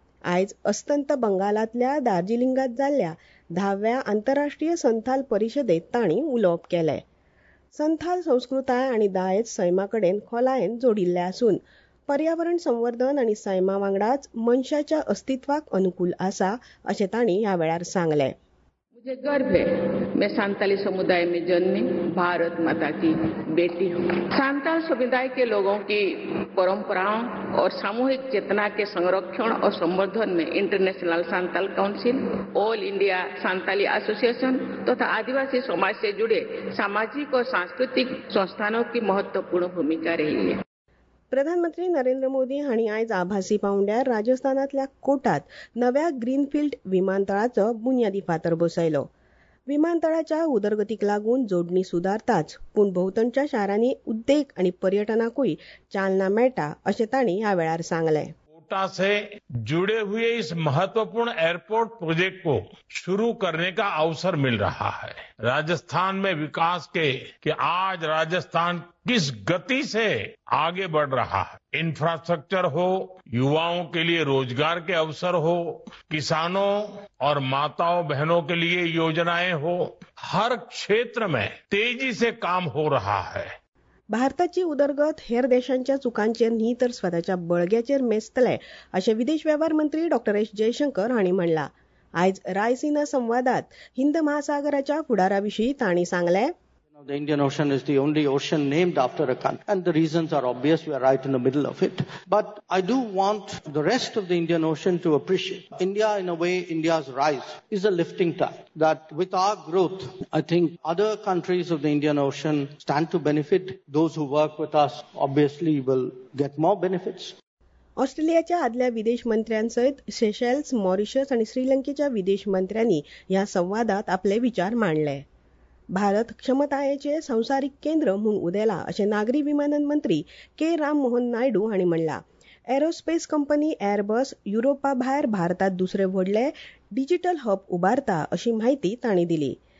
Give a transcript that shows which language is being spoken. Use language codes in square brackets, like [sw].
[gom] आयज अस्तंत बंगालातल्या दार्जिलिंगात जाल्ल्या 10व्या आंतरराष्ट्रीय संथाल परिशदेत तांणी उलोवप केले. संथाल संस्कृताय आनी दायज सैमाकडेन खोलायेन जोडिल्ले आसून पर्यावरण संवर्धन आनी सैमा वांगडाच मनशाच्या अस्तित्वाक अनुकूल आसा, अशें तांणी ह्या वेळार सांगले. [hi] मुझे गर्व है, मैं संताली समुदाय में जन्मी, भारत माता की बेटी हूँ. संताल समुदाय के लोगों की परंपराओं और सामूहिक चेतना के संरक्षण और संवर्धन में international Santal council, all India Santali association तथा आदिवासी समाज से जुड़े सामाजिक और सांस्कृतिक संस्थानों की महत्वपूर्ण भूमिका रही है. [gom] प्रधानमंत्री नरेंद्र मोदी हांणी आयज आभासी पांवड्यार राजस्थानांतल्या कोटात नव्या ग्रीनफिल्ड विमानतळाचो बुन्यादी फातर बसयलो. विमानतळाच्या उदरगतीक लागून जोडणी सुदारताच, पूण भोवतणच्या शारांनी उद्देग आनी पर्यटनाकूय चालना मेळटा, अशें तांणी ह्या वेळार सांगले. [hi] कोटा से जुड़े हुए इस महत्वपूर्ण एयरपोर्ट प्रोजेक्ट को शुरू करने का अवसर मिल रहा है. राजस्थान में विकास के कि आज राजस्थान किस गति से आगे बढ़ रहा है, इंफ्रास्ट्रक्चर हो, युवाओं के लिए रोजगार के अवसर हो, किसानों और माताओं बहनों के लिए योजनाएं हो, हर क्षेत्र में तेजी से काम हो रहा है. [gom] भारताची उदरगत हेर देशांच्या चुकांचेर न्ही तर स्वतःच्या बळग्याचेर मेस्तले, अशें विदेश वेव्हार मंत्री डॉ एस जयशंकर हांणी म्हणला. आयज रायसीना संवादात हिंद महासागराच्या फुडारा विशीं तांणी सांगले. [en] The Indian Ocean is the only ocean named after a country, and the reasons are obvious. We are right in the middle of it. But I do want the rest of the Indian Ocean to appreciate India. In a way, India's rise is a lifting tide, that with our growth, I think other countries of the Indian Ocean stand to benefit. Those who work with us obviously will get more benefits. [gom] ऑस्ट्रेलियाच्या आदल्या विदेश मंत्र्यांसयत Seychelles, Mauritius आणि श्रीलंकेच्या विदेश मंत्र्यांनी या संवादात आपले विचार मांडले. भारत क्षमतायेचे संसारीक केंद्र म्हणून उदेला, असे नागरी विमानन मंत्री के राम मोहन नायडू हांणी म्हणला. एरोस्पेस कंपनी एअरबस युरोपा भायर भारतात दुसरे व्हडले डिजिटल हब उभारता, अशी माहिती तांणी दिली.